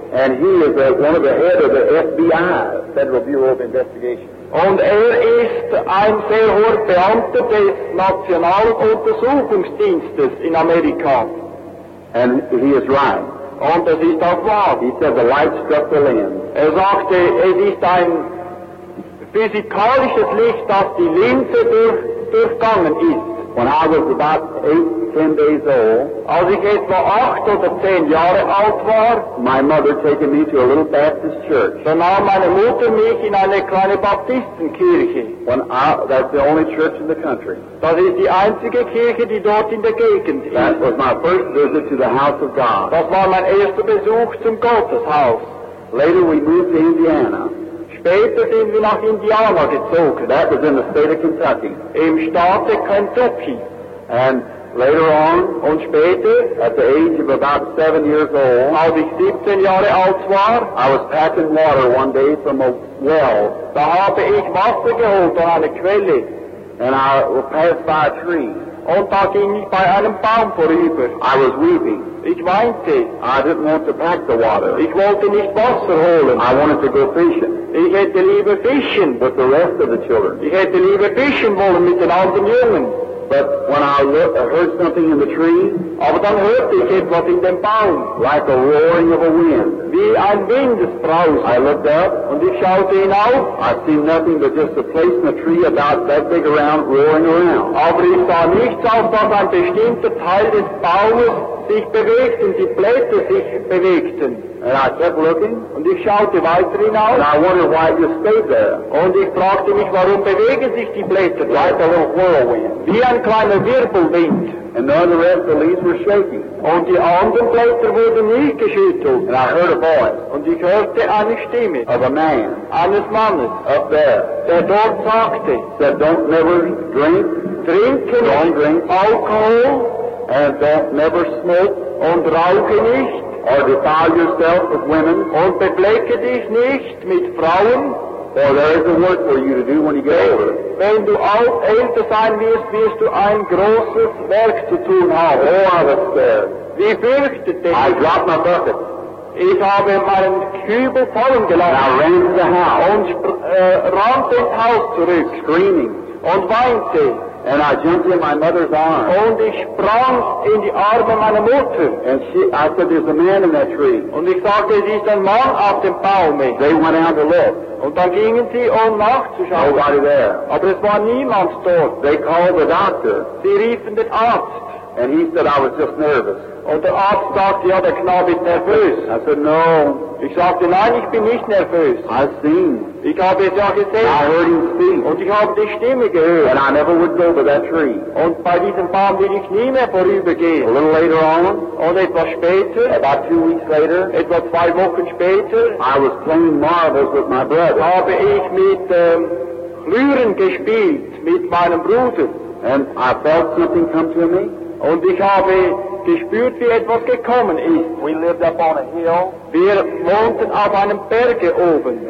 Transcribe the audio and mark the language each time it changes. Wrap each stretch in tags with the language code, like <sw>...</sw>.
<en>And he is one of the head of the FBI, Federal Bureau of Investigation.</en> <de>Und er ist ein sehr hoher Beamter des Nationaluntersuchungsdienstes in Amerika.</de> <en>And he is right.</en> <de>Und es ist auch wahr.</de> <en>He said the light struck the lens.</en> <de>Er sagte, es ist ein physikalisches Licht, das die Linse durchgangen ist.</de> <en>When I was about 8, 10 days old,</en> <de>als ich etwa 8 oder 10 Jahre alt war,</de> <en>my mother taken me to a little Baptist church.</en> <de>So nahm meine Mutter mich in eine kleine Baptistenkirche.</de> <en>That's the only church in the country.</en> <de>Das ist die einzige Kirche, die dort in der Gegend ist.</de> <en>That was my first visit to the house of God.</en> <de>Das war mein erster Besuch zum Gotteshaus.</de> <en>Later we moved to Indiana.</en> <de>Später sind wir nach Indiana gezogen.</de> <en>That was in the state of Kentucky.</en> <de>Im Staat Kentucky.</de> <en>And later on,</en> <de>und später,</de> <en>at the age of about 7 years old,</en> <de>als ich 17 Jahre alt war,</de> <en>I was packing water one day from a well.</en> <de>Da habe ich Wasser geholt an eine Quelle.</de> <en>And I passed by a tree.</en> <de>Und da ging ich bei einem Baum vorüber.</de> <en>I was weeping.</en> <de>Ich weinte.</de> <en>I didn't want to pack the water.</en> <de>Ich wollte nicht Wasser holen.</de> <en>I wanted to go fishing.</en> <de>Ich hätte lieber fischen.</de> <en>With the rest of the children.</en> <de>Ich hätte lieber fischen wollen mit den anderen Jungen.</de> <en>But when I heard something in the tree,</en> <de>aber dann hörte ich etwas in dem Baum.</de> <en>Like a roaring of a wind.</en> <de>Wie ein Windesbrausen.</de> <en>I looked up.</en> <de>Und ich schaute hinauf.</de> <en>I see nothing but just a place in the tree about that big around, roaring around.</en> <de>Aber ich sah nichts, als ob ein bestimmter Teil des Baumes sich bewegten, die Blätter sich bewegten.</de> <en>And I kept looking.</en> <de>Und ich schaute weiter hinaus.</de> <en>And I wondered why it just stayed there.</en> <de>Und ich fragte mich, warum bewegen sich die Blätter?</de> <en>Like a little whirlwind.</en> <de>Wie ein kleiner Wirbelwind.</de> <en>And none of the rest of the leaves were shaking.</en> <de>Und die anderen Blätter wurden nicht geschüttelt.</de> <en>And I heard a voice.</en> <de>Und ich hörte eine Stimme.</de> <en>Of a man.</en> <de>Eines Mannes.</de> <en>Up there.</en> <de>Der dort sagte.</de> <en>That don't never drink.</en> <de>Trinke nicht.</de> <en>Don't drink.</en> <de>Alkohol.</de> <en>And don't never smoke.</en> <de>Und rauche nicht.</de> <en>Or defile yourself with women.</en> <de>Und beflecke dich nicht mit Frauen.</de> <en>Or there is a work for you to do when you get older.</en> <de>Wenn du alt älter sein wirst, wirst du ein großes Werk zu tun haben.</de> <en>Oh, I was scared.</en> <de>Wie fürchtet dich?</de> <en>I dropped my bucket.</en> <de>Ich habe meinen Kübel fallen gelassen.</de> <en>And I ran to the house.</en> <de>Und rannte ins Haus zurück.</de> <en>Screaming.</en> <de>Und weinte.</de> <en>And I jumped in my mother's arms.</en> <de>Und ich sprang in die Arme meiner Mutter.</de> <en>And I said, there's a man in that tree.</en> <de>Und ich sagte, es ist ein Mann auf dem Baum.</de> <en>They went out to look.</en> <de>Und dann gingen sie, um nachzuschauen.</de> <en>Nobody there.</en> <de>Aber es war niemand dort.</de> <en>They called the doctor.</en> <de>Sie riefen den Arzt.</de> <en>And he said, I was just nervous.</en> <de>Und der Arzt sagte, ja, der Knabe ist nervös.</de> <en>I said, no.</en> <de>Ich sagte, nein, ich bin nicht nervös.</de> <en>I've seen.</en> <de>Ich habe es ja gesehen.</de> <en>I heard him speak.</en> <de>Und ich habe die Stimme gehört.</de> <en>And I never would go to that tree.</en> <de>Und bei diesem Baum will ich nie mehr vorübergehen.</de> <en>A little later on.</en> <de>Und etwas später.</de> <en>About 2 weeks later.</en> <de>Etwa 2 Wochen später.</de> <en>I was playing marbles with my brother.</en> <de>Habe ich mit Flüren gespielt, mit meinem Bruder.</de> <en>And I felt something come to me.</en> <de>Und ich habe gespürt, wie etwas gekommen ist.</de> <en>We lived up on a hill.</en> <de>Wir wohnten auf einem Berge oben.</de>